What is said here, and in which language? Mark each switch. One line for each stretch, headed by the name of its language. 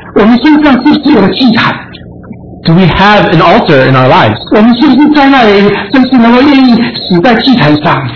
Chinese: 我们身上是不是有祭坛?
English: Do we have an altar in our lives?
Chinese: 我们是不是在那里，就是能够愿意死在祭坛上?